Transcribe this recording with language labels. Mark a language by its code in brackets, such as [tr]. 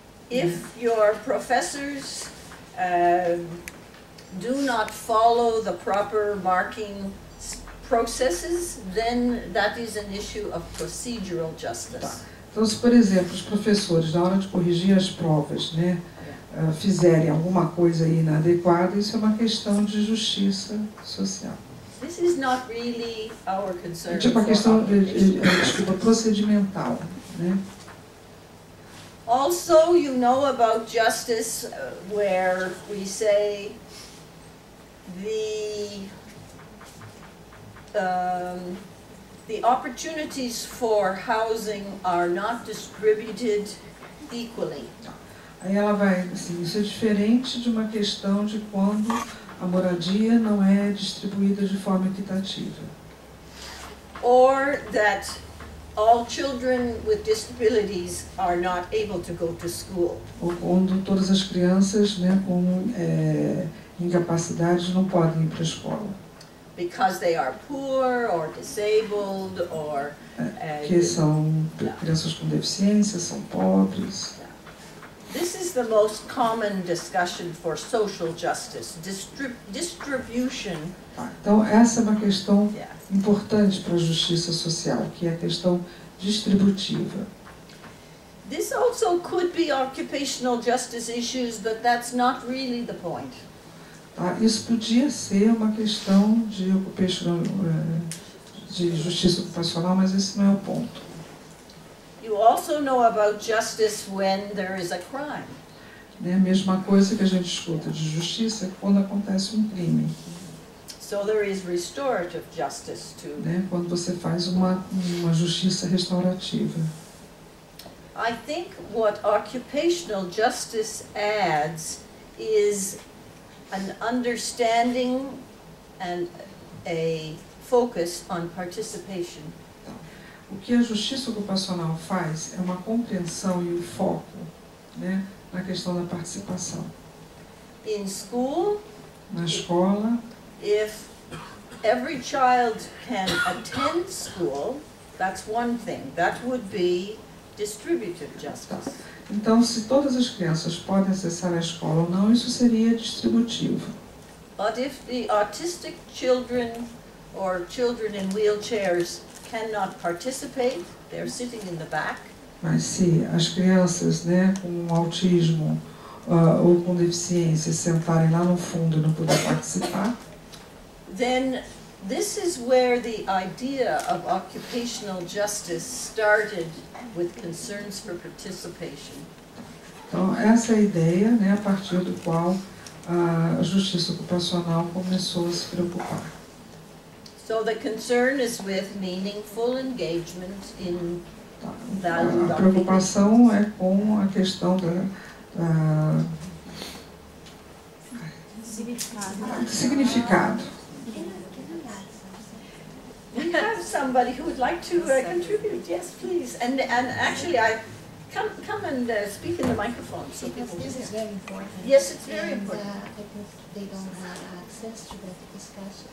[en] If your professors do not follow the proper marking processes, then that is an issue of procedural justice. [pt] Tá. Então, se, por exemplo, os professores, na hora de corrigir as provas, né, fizerem alguma coisa inadequada, isso é uma questão de justiça social. [en] This is not really our concern. [pt] É tipo a questão desculpa, procedimental, né? [en] Also, you know about justice where we say the opportunities for housing are not distributed equally. [pt] Aí ela vai assim, isso é diferente de uma questão de quando a moradia não é distribuída de forma equitativa. [en] Or that all children with disabilities are not able to go to school. [pt] Ou quando todas as crianças, né, com incapacidade não podem ir para a escola. [en] Because they are poor or disabled or [pt] que são crianças com deficiência, são pobres. [en] This is the most common discussion for social justice, distribution. [pt] Então essa é uma questão importante para a justiça social, que é a questão distributiva. [en] This also could be occupational justice issues, but that's not really the point. [pt] Tá, isso podia ser uma questão de ocupacional, de justiça ocupacional, mas esse não é o ponto. [en] You also know about justice when there is a crime. [pt] É a mesma coisa que a gente escuta de justiça quando acontece um crime. [en] So there is restorative justice too. [pt] Né? Quando você faz uma justiça restaurativa. [en] I think what occupational justice adds is an understanding and a focus on participation. [pt] O que a justiça ocupacional faz é uma compreensão e um foco, né, na questão da participação. [en] In school, [pt] na escola, [en] if every child can attend school, that's one thing. That would be distributive justice. [pt] Então, se todas as crianças podem acessar a escola ou não, isso seria distributivo. [en] But if the autistic children or children in wheelchairs cannot participate, they're sitting in the back. [pt] Mas se as crianças, né, com autismo ou com deficiência sentarem lá no fundo e não puderem participar, [en] then this is where the idea of occupational justice started with concerns for participation. [pt] Então essa é a ideia, né, a partir do qual a justiça ocupacional começou a se preocupar. [en] So the concern is with meaningful engagement in value. [pt] A preocupação é com a questão da significado. [en] We have somebody who would like to contribute. Yes, please. And actually, I come and speak in the microphone so because people this can. Is very important. Yes, it's very and, important. I think they don't have access to that discussion.